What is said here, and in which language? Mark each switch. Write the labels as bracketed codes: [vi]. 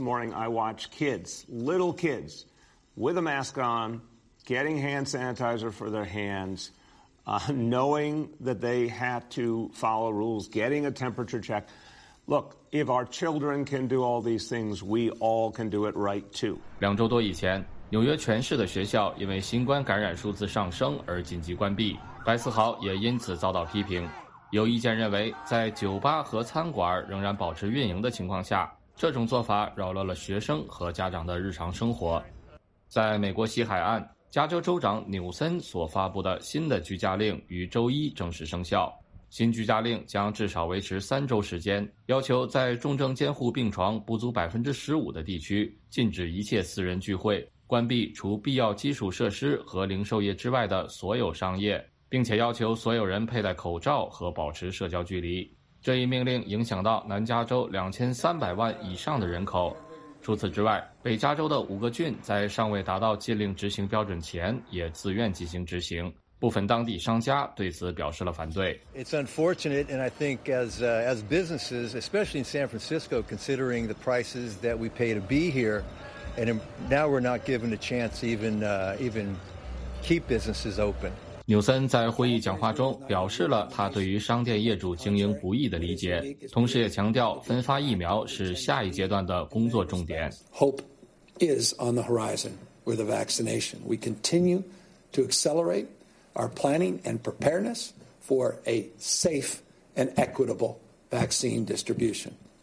[en] morning I watched kids, little kids, with a mask on, getting hand sanitizer for their hands, knowing that they had to follow rules, getting a temperature check. Look, if our children can do all these things, we all can do it right too. [zh] 2周多以前，纽约全市的学校因为新冠感染数字上升而紧急关闭，白思豪也因此遭到批评。有意见认为，在酒吧和餐馆仍然保持运营的情况下，这种做法扰乱了学生和家长的日常生活。在美国西海岸， 加州州长纽森所发布的新的居家令与周一正式生效。新居家令将至少维持三周时间，要求在重症监护病床不足 15% 的地区禁止一切私人聚会，关闭除必要基础设施和零售业之外的所有商业，并且要求所有人佩戴口罩和保持社交距离。这一命令影响到南加州2300万以上的人口。除此之外，北加州的五个郡在尚未达到禁令执行标准前也自愿进行执行，部分当地商家对此表示了反对。 [en] It's unfortunate, and I think as businesses, especially in San Francisco, considering the prices that we pay to be here, and now we're not given a chance to even keep businesses open. [zh] 纽森在会议讲话中表示了他对于商店业主经营不易的理解，同时也强调分发疫苗是下一阶段的工作重点。 [en] Hope is on the horizon with the vaccination. We continue to accelerate. Our planning and preparedness for a safe and equitable vaccine distribution.